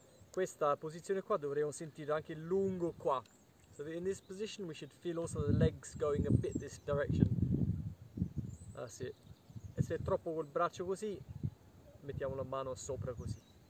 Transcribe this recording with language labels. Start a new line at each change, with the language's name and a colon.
Italian: Questa posizione qua dovremmo sentire anche lungo qua.
English: So in this position we should feel also the legs going a bit this direction.
Italian: Ah sì. E se è troppo col braccio così, mettiamo la mano sopra così.